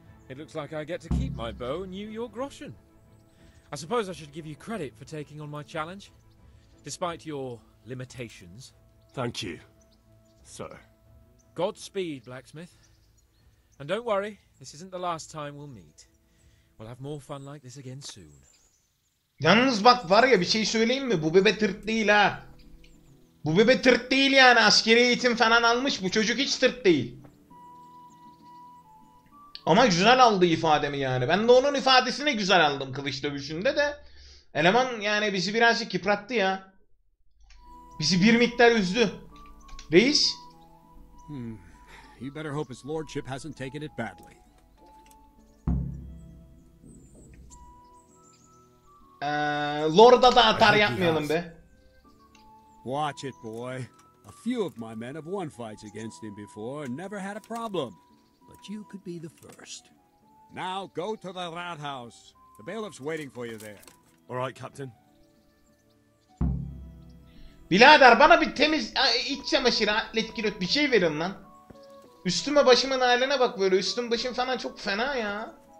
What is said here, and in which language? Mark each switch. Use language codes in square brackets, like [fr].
[en] It looks like I get to keep my bow and you your groschen. I suppose I should give you credit for taking on my challenge, despite your limitations. Thank you, sir. Godspeed, blacksmith. And don't worry, this isn't the last time we'll meet. We'll have more fun like this again soon. [tr] Yalnız bak var ya bir şey söyleyeyim mi? Bu bebe tırt değil ha. Bu bebe tırt değil yani. Askeri eğitim falan almış. Bu çocuk hiç tırt değil. Ama güzel aldı ifademi yani. Ben de onun ifadesini güzel aldım kılıç dövüşünde de. Eleman yani bizi birazcık yıprattı ya. Bizi bir miktar üzdü. Reis? [en] You better hope his lordship hasn't taken it badly. [tr] Lord'a da atar yapmayalım be. [en] Watch it, boy. A few of my men have won fights against him before and never had a problem. But you could be the first. Now go to the Rathaus. The bailiff's waiting for you there. All right, Captain. [tr] Bilader, bana bir temiz iç çamaşırı, atlet kilot bir şey verin lan. Üstüme başımın haline bak böyle. Üstüm başım falan çok fena ya.